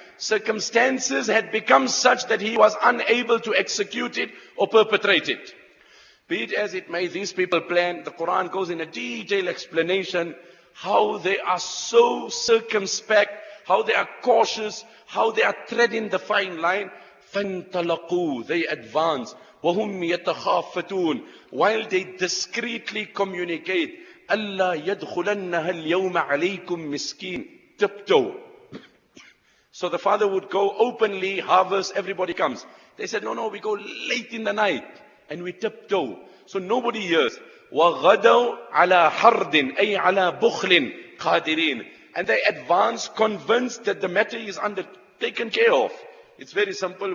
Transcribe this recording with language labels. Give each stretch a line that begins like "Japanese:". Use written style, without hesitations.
English: Circumstances had become such that he was unable to execute it or perpetrate it. Be it as it may, these people plan. The Quran goes in a detailed explanation how they are so circumspect, how they are cautious, how they are treading the fine line. فَانْتَلَقُوا They advance.
Arabic: وَهُمْ يَتَخَافَتُونَ
English: While they discreetly communicate,
Arabic: أَلَّا يَدْخُلَنَّهَا الْيَوْمَ عَلَيْكُمْ مِسْكِينَ Tiptoe.
English: So the father would go openly, harvest, everybody comes. They said, no, we go late in the night, and we tiptoe. So nobody hears.
Arabic: وَغَدَوْا عَلَى حَرْدٍ أي عَلَى بُخْلٍ قَادِرِينَ
English: And they advance, convinced that the matter is under taken care of. It's very simple.